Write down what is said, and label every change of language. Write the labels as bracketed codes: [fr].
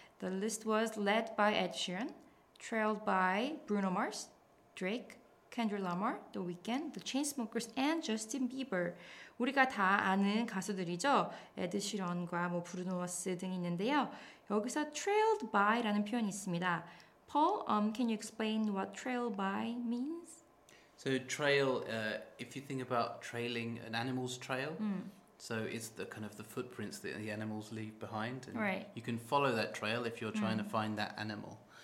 [en] The list was led by Ed Sheeran, trailed by Bruno Mars, Drake, Kendrick Lamar, The Weeknd, The Chainsmokers, and Justin Bieber. [ko] 우리가 다 아는 가수들이죠. 에드 시런과 뭐 브루노 마스 등 있는데요. 여기서 [en] trailed by라는 [ko] 표현이 있습니다. [en] Paul, can you explain what trailed by means? So trail, if you think about trailing an animal's trail, So it's the kind of the footprints that the animals leave behind. And right. You can follow that trail if you're trying to find that animal.